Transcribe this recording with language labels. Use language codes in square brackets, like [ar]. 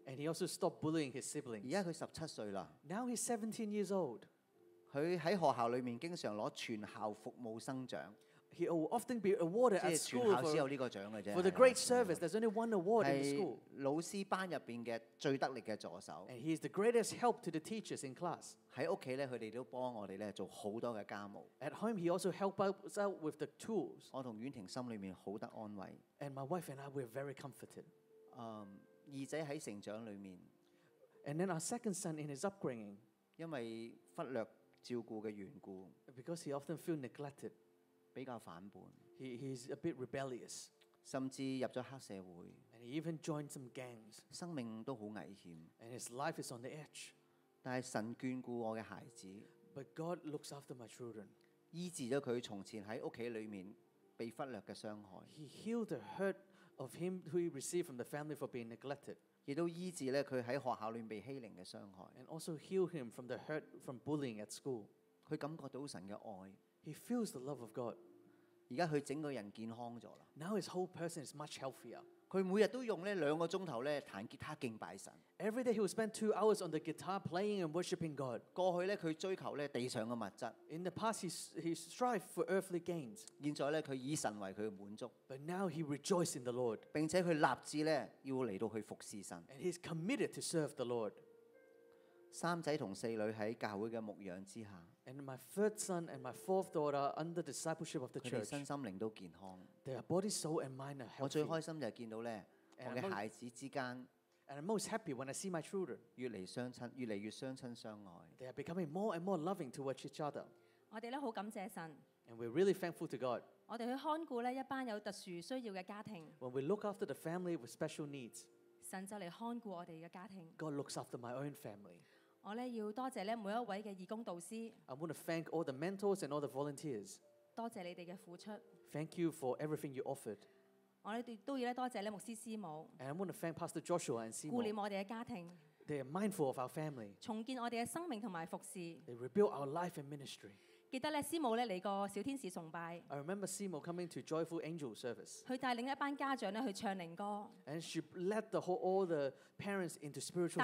[en] And he also stopped bullying his siblings. [zh] 而家佢十七歲啦。 [en] Now he's 17 years old. [zh] 佢喺學校裏面經常攞全校服務生獎。 [en] He will often be awarded at school for the great service. There's only one award in the school. [zh] 老師班入邊嘅最得力嘅助手。 [en] And he is the greatest help to the teachers in class. [zh] 喺屋企咧，佢哋都幫我哋咧做好多嘅家務。 [en] At home, he also helps out with the tools. [zh] 我同婉婷心裏面好得安慰。 [en] And my wife and I were very comforted. [zh] 二仔喺成長裏面。 [en] And then our second son in his upbringing. [zh] 因為忽略照顧嘅緣故。 [en] Because he often feel neglected. [zh] 比較反叛 [en] He's a bit rebellious. [zh] 甚至入咗黑社會 [en] And he even joined some gangs. [zh] 生命都好危險 [en] And his life is on the edge. [zh] 但係神眷顧我嘅孩子 [en] But God looks after my children. [zh] 醫治咗佢從前喺屋企裏面被忽略嘅傷害 [en] He healed the hurt of him who he received from the family for being neglected. [zh] 亦都醫治咧佢喺學校裏面被欺凌嘅傷害 [en] And also healed him from the hurt from bullying at school. [zh] 佢感覺到神嘅愛 [en] He feels the love of God. [zh] 現在他整個人健康了。 [en] Now his whole person is much healthier. [zh] 他每天都用兩個小時彈吉他敬拜神。 [en] Every day he will spend 2 hours on the guitar playing and worshipping God. [zh] 過去他追求地上的物質。 [en] In the past he strived for earthly gains. [zh] 現在他以神為他的滿足。 [en] But now he rejoices in the Lord. [zh] 並且他立志要來到去服侍神。 [en] And he's committed to serve the Lord. [zh] 三仔同四女喺教會嘅牧養之下 [en] ，and my third son and my fourth daughter under discipleship of the church， [zh] 佢哋身心靈都健康 [en] ，their body, soul, and mind are healthy。 [zh] 我最開心就係見到咧，我嘅孩子之間 [en] ，and I'm most happy when I see my children [zh] 越嚟相親，越嚟越相親相愛。 [en] They are becoming more and more loving towards each other。 [zh] 我哋咧好感謝神 [en] ，and we're really thankful to God。 [zh] 我哋去看顧咧一班有特殊需要嘅家庭 [en] ，when we look after the family with special needs， [zh] 神就嚟看顧我哋嘅家庭。 [en] God looks after my own family。 [zh] 我咧要多谢咧每一位嘅义工导师。 [en] I want to thank all the mentors and all the volunteers。 [zh] 多谢你哋嘅付出。 [en] Thank you for everything you offered。 [zh] 我咧都要咧多谢咧牧师师母。 [en] And I want to thank Pastor Joshua and 师母。 [zh] 顾念我哋嘅家庭。 [en] They are mindful of our family。 [zh] 重建我哋嘅生命同埋服侍。 [en] They rebuild our life and ministry。 [zh] 記得咧，師母咧嚟過小天使崇拜。 [en] I remember 師母 coming to Joyful Angel Service。 [zh] 佢帶領一班家長咧去唱靈歌。 [en] And she led the whole all the parents into spiritual songs。